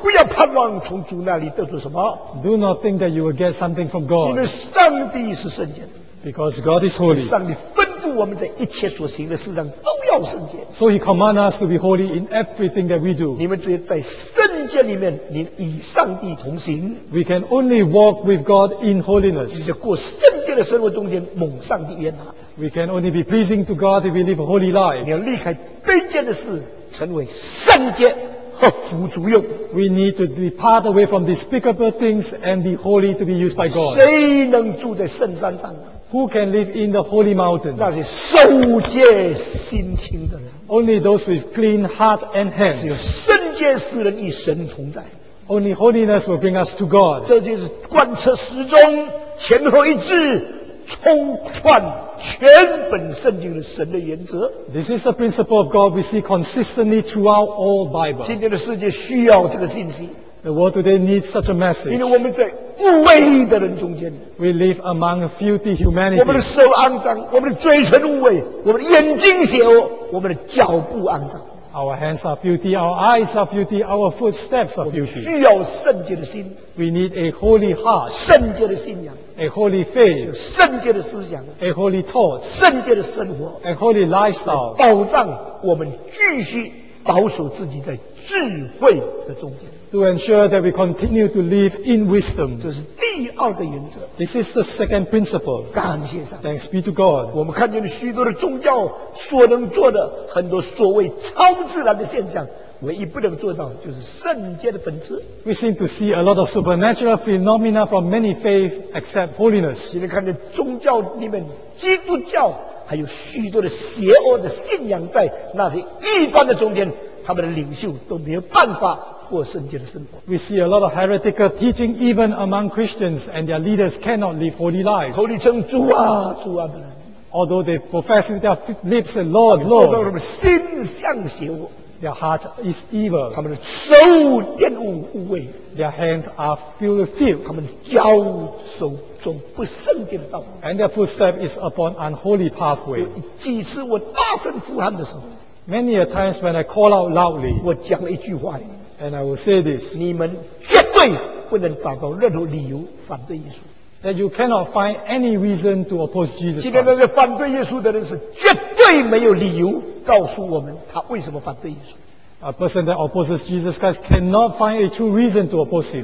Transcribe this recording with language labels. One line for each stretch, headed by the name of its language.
Chinese: 不要盼望从主那里得出什么。
English: Do not think that you will get something from God.
Chinese: 因为上帝是圣洁的。
English: Because God is holy.
Chinese: 上帝吩咐我们在一切所行的事上都要圣洁。
English: So he commands us to be holy in everything that we do.
Chinese: 你们只有在圣洁里面，你与上帝同行。
English: We can only walk with God in holiness.
Chinese: 你在过圣洁的生活中间蒙上帝悦纳。
English: We can only be pleasing to God if we live a holy life.
Chinese: 你要离开卑贱的事，成为圣洁。服主用。
English: We need to depart away from despicable things and be holy to be used by God.
Chinese: 谁能住在圣山上？
English: Who can live in the holy mountain?
Chinese: 那是守戒心清的人。
English: Only those with clean heart and hands.
Chinese: 只有圣洁使人与神同在。
English: Only holiness will bring us to God.
Chinese: 这就是贯彻始终，前后一致，冲串全本圣经的神的原则。
English: This is the principle of God we see consistently throughout all Bible.
Chinese: 今天的世界需要这个信息。
English: The world today needs such a message.
Chinese: 因为我们在污秽的人中间。
English: We live among filthy humanity.
Chinese: 我们的手肮脏，我们的嘴唇污秽，我们的眼睛邪恶，我们的脚步肮脏。
English: Our hands are filthy, our eyes are filthy, our footsteps are filthy.
Chinese: 我们需要圣洁的心。
English: We need a holy heart.
Chinese: 圣洁的信仰。
English: A holy faith.
Chinese: 圣洁的思想。
English: A holy thought.
Chinese: 圣洁的生活。
English: A holy lifestyle.
Chinese: 保障我们继续保守自己在智慧的中间。
English: To ensure that we continue to live in wisdom.
Chinese: 这是第二个原则。
English: This is the second principle.
Chinese: 感谢上帝。
English: Thanks be to God.
Chinese: 我们看见了许多的宗教所能做的很多所谓超自然的现象，唯一不能做到就是圣洁的本质。
English: We seem to see a lot of supernatural phenomena from many faiths except holiness.
Chinese: 你看见宗教里面基督教还有许多的邪恶的信仰在那些异端的中间，他们的领袖都没有办法过圣洁的生活。
English: We see a lot of heretical teaching even among Christians, and their leaders cannot live holy lives.
Chinese: 口里称主啊，主啊的人。
English: Although they profess with their lips the Lord, Lord.
Chinese: 他们心向邪恶。
English: Their heart is evil.
Chinese: 他们的手玷污污秽。
English: Their hands are filled with filth.
Chinese: 他们脚手走不圣洁的道路。
English: And their footstep is upon unholy pathway.
Chinese: 几次我大声呼喊的时候。
English: Many a times when I call out loudly,
Chinese: 我讲了一句话，
English: and I will say this,
Chinese: 你们绝对不能找到任何理由反对耶稣。
English: that you cannot find any reason to oppose Jesus.
Chinese: 今天那个反对耶稣的人是绝对没有理由告诉我们他为什么反对耶稣。
English: A person that opposes Jesus Christ cannot find a true reason to oppose him.